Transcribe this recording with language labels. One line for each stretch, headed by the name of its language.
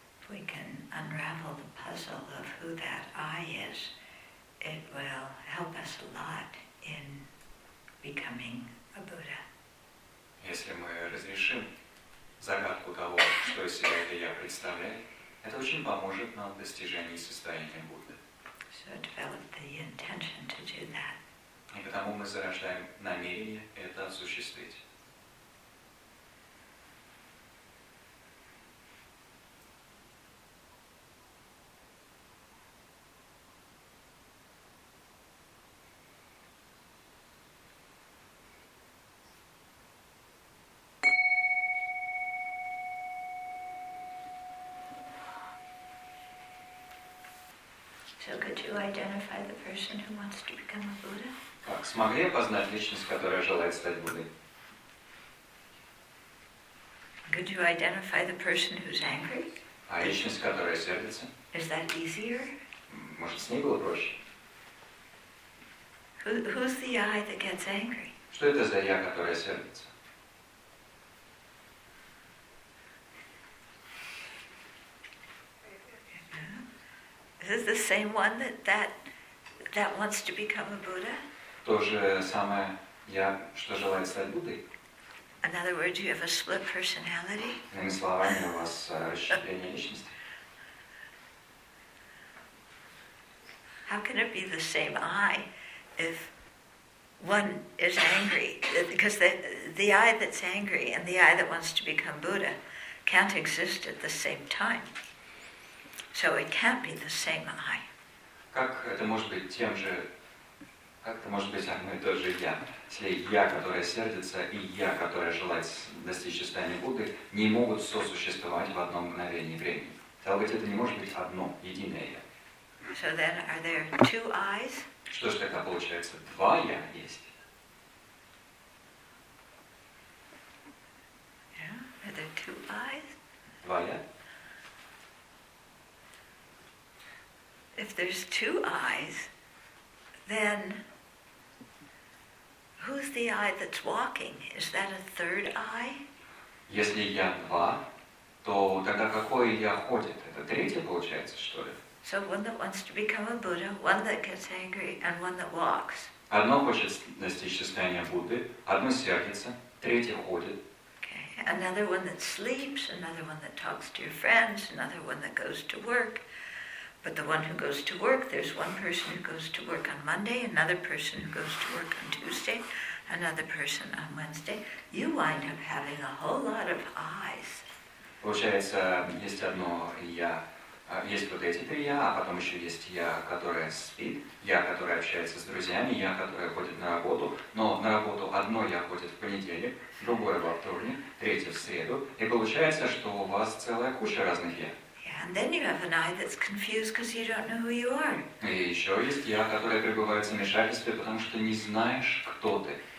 English: We can unravel the puzzle of who that I is, it will help us a lot in becoming a Buddha.
Russian: Если мы разрешим загадку того, что из себя это я представляю, это очень поможет нам в достижении состояния Будды.
English: So develop the intention to do that.
Russian: И потому мы зарождаем намерение это осуществить.
English: So could you identify the person who wants to become a Buddha?
Russian: Как смогли опознать личность, которая желает стать Буддой?
English: Could you identify the person who's angry?
Russian: А личность, которая сердится?
English: Is that easier?
Russian: Может, с ней было проще?
English: Who's the I that gets angry?
Russian: Что это за я, которая сердится?
English: Is this the same one that wants to become a Buddha?
Russian: То же самое я, что желает стать Буддой.
English: In other words, you have a split personality.
Russian: Иными словами, у вас расщепление личности.
English: How can it be the same I if one is angry? Because the I that's angry and the I that wants to become Buddha can't exist at the same time. So it can't be the same I.
Russian: Как это может быть тем же? Как это может быть одно и то же я? Если я, которое сердится, и я, которое желает достичь состояния Будды, не могут сосуществовать в одно мгновение времени. Стало быть, это не может быть одно, единое я.
English: So then are there two I's?
Russian: Что ж тогда получается? Два я есть?
English: Yeah, are there two I's?
Russian: Два я?
English: If there's two eyes, then who's the eye that's walking? Is that a third eye?
Russian: Если я два, то тогда какой я ходит? Это третье получается, что ли?
English: So one that wants to become a Buddha, one that gets angry, and one that walks.
Russian: Одно хочет достичь состояния Будды, одно сердится, третье ходит.
English: Okay. Another one that sleeps, another one that talks to your friends, another one that goes to work. But the one who goes to work, there's one person who goes to work on Monday, another person who goes to work on Tuesday, another person on Wednesday. You wind up having a whole lot of eyes.
Russian: Получается, есть одно я, есть вот эти три я, а потом еще есть я, которое спит, я, которое общается с друзьями, я, которое ходит на работу. Но на работу одно я ходит в понедельник, другое во вторник, третье в среду. И получается, что у вас целая куча разных я.
English: And then you have an I that's confused because you don't know who you are.
Russian: И еще есть я, которое пребывает в замешательстве, потому что не знаешь, кто ты.